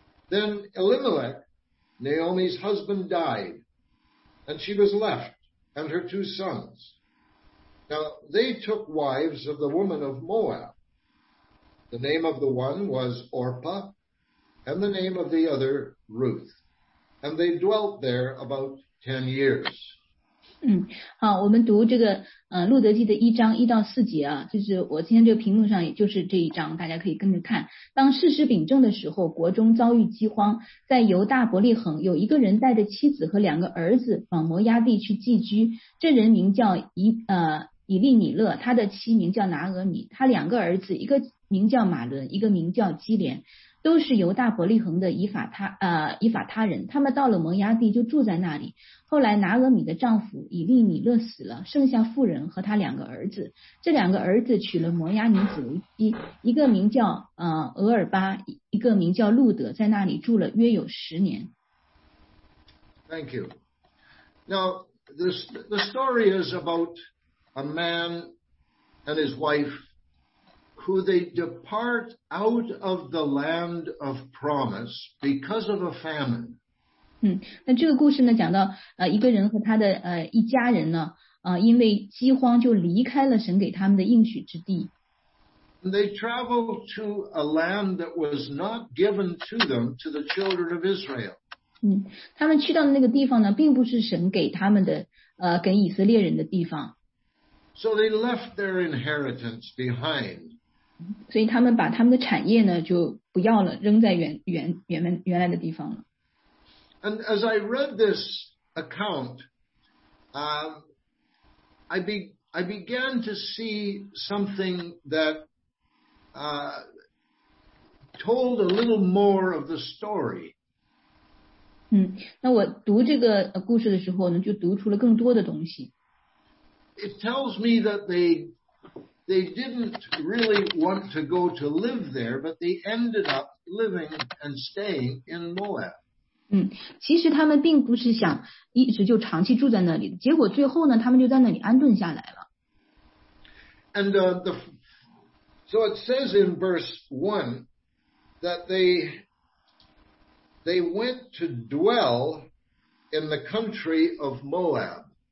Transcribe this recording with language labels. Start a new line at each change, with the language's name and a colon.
English: Then Elimelech, Naomi's husband, died, and she was left, and her two sons. Now they took wives of the woman of Moab. The name of the one was Orpah, and the name of the other Ruth. And they dwelt there about 10 years.
Chinese: 好，我们读这个路德记的一章一到四节啊，就是我今天这个屏幕上也就是这一章，大家可以跟着看。当事实秉政的时候，国中遭遇饥荒，在犹大伯利恒有一个人带着妻子和两个儿子往摩押地去寄居，这人名叫以利米勒，他的妻名叫拿俄米，他两个儿子一个名叫马伦，一个名叫基连。都是犹大伯利恒的以法他人，他们到了蒙雅地就住在那里。后来拿俄米的丈夫以利米勒死了，剩下妇人和他两个儿子，这两个儿子娶了摩押女子为妻，一个名叫俄尔巴，一个名叫路德，在那里住了约有十年。
English: Thank you. Now the story is about a man and his wife who they depart out of the land of promise because of a famine.
Chinese: 那这个故事呢讲到一个人和他的一家人呢因为饥荒就离开了神给他们的应许之地。
English: And they traveled to a land that was not given to them, to the children of Israel.
Chinese: 他们去到的那个地方呢并不是神给他们的给以色列人的地方。
English: So they left their inheritance behind.
Chinese: 所以他们把他们的产业呢就不要了，扔在原来的地方了。
English: And as I read this account, I began to see something that told a little more of the story.
Chinese: 那我读这个故事的时候呢，就读出了更多的东西。
English: It tells me that they didn't really want to go to live there, but they ended up living and staying in Moab.
Chinese: 其实他们并不是想一直就长期住在那里，结果最后呢，他们就在那里安顿下来了。
English: And so it says in verse 1 that they went to dwell in the country of Moab.